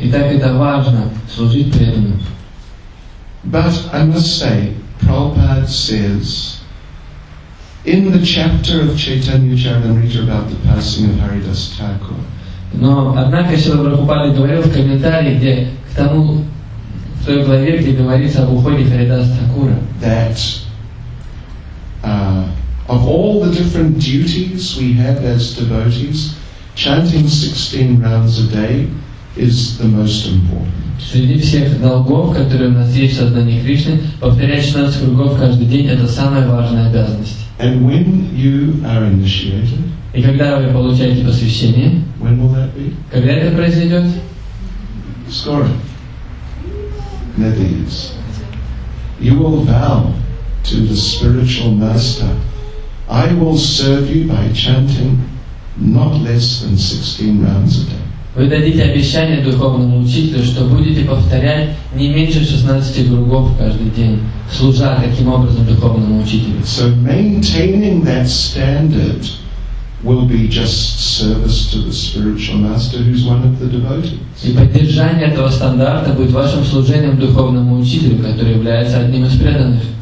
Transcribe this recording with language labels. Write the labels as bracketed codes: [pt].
[ru] Итак, это важно, служить преданным. [en] But I must say, Prabhupada says in the chapter of Chaitanya Charitamrita about the passing of Haridas Thakur. [ru] Но однако Шрила Прабхупада говорил в комментарии, где к тому в той главе, где говорится об уходе Харидаса Такура. [en] That of all the different duties we have as devotees, chanting 16 rounds a day is the most important. [ru] Среди всех долгов, которые у нас есть в сознании Кришны, повторять 16 кругов каждый день – это самая важная обязанность. [en] And when you are initiated, [ru] и когда вы получаете посвящение, [en] when will that be? [ru] Когда это произойдет? Скоро. [en] That is, you will bow to the spiritual master. I will serve you by chanting not less than 16 rounds a day. [ru] Вы дадите обещание духовному учителю, что будете повторять не меньше 16 кругов каждый день, служа таким образом духовному учителю. So maintaining that standard will be just service to the spiritual master who's one of the devotees. И поддержание этого стандарта будет вашим служением духовному учителю, который является одним из преданных.